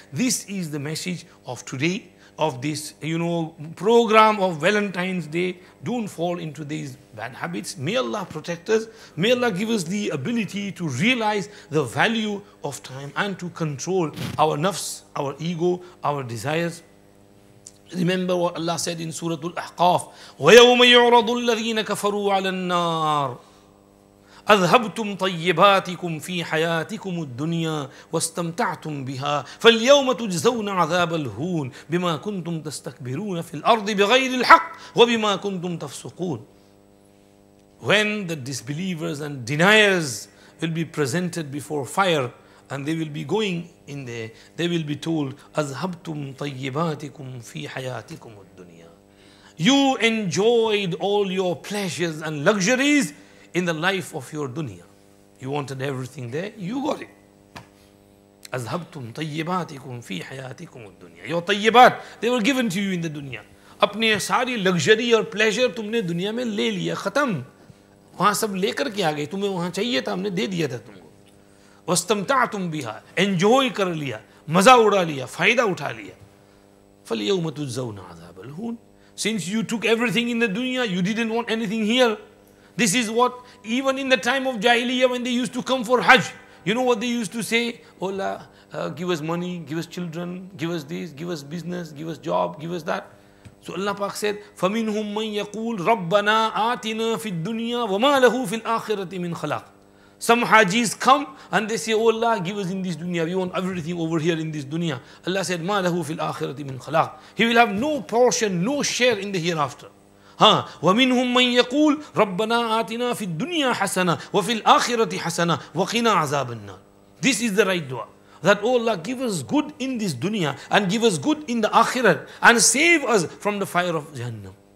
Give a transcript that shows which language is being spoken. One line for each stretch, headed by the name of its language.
English: This is the message of today, of this, you know, program of Valentine's Day. Don't fall into these bad habits. May Allah protect us. May Allah give us the ability to realize the value of time and to control our nafs, our ego, our desires. Remember what Allah said in Surah Al-Ahqaf,
Arabic: وَيَوْمَ يُعْرَضُ الَّذِينَ كَفَرُوا عَلَى النَّارِ أذهبتم طيباتكم في حياتكم الدنيا واستمتعتم بها فاليوم تجزون عذاب الهون بما كنتم تستكبرون في الأرض بغير الحق وبما كنتم تفسقون.
English: When the disbelievers and deniers will be presented before fire and they will be going in there, they will be told,
Arabic: أذهبتم طيباتكم في حياتكم الدنيا.
English: You enjoyed all your pleasures and luxuries in the life of your dunya. You wanted everything there, you got it.
Arabic: أَذْهَبْتُمْ طَيِّبَاتِكُمْ فِي حَيَاتِكُمُ الدُّنْيَا.
English: Your طَيِّبَات, they were given to you in the dunya.
Urdu: اپنے ساری luxury اور pleasure تم نے دنیا میں لے لیا, ختم. وہاں سب لے کر کے آگئے, تمہیں وہاں چاہیے تھا, ہم نے دے دیا تھا تم کو.
Arabic: وَاسْتَمْتَعْتُمْ بِهَا,
Urdu: enjoy کر لیا, مزہ اُڑا لیا, فائدہ اُٹھا لیا.
Arabic: فَلْيَوْمَ تُجْزَوْنَ عَذَابَ الْهُونَ.
English: Since you took everything in the dunya, you didn't want anything here. This is what, even in the time of Jahiliyyah, when they used to come for Hajj, you know what they used to say? Oh Allah, give us money, give us children, give us this, give us business, give us job, give us that. So Allah Pak said,
Arabic: فَمِنْهُمْ مَنْ يَقُولْ رَبَّنَا آتِنَا فِي الدُّنْيَا وَمَا لَهُ فِي الْآخِرَةِ مِنْ خَلَقْ.
English: Some Hajis come and they say, oh Allah, give us in this dunya, we want everything over here in this dunya.
Arabic: Allah said, مَا لَهُ فِي الْآخِرَةِ مِنْ خَلَقْ.
English: He will have no portion, no share in the hereafter.
Arabic: ہاں وَمِنْهُمْ مَنْ يَقُولْ رَبَّنَا آتِنَا فِي الدُّنْيَا حَسَنَا وَفِي الْآخِرَةِ حَسَنَا وَقِنَا عَذَابَ النَّارِ.
English: This is the right dua. That, oh Allah, give us good in this dunya and give us good in the akhirat and save us from the fire of Jahannam.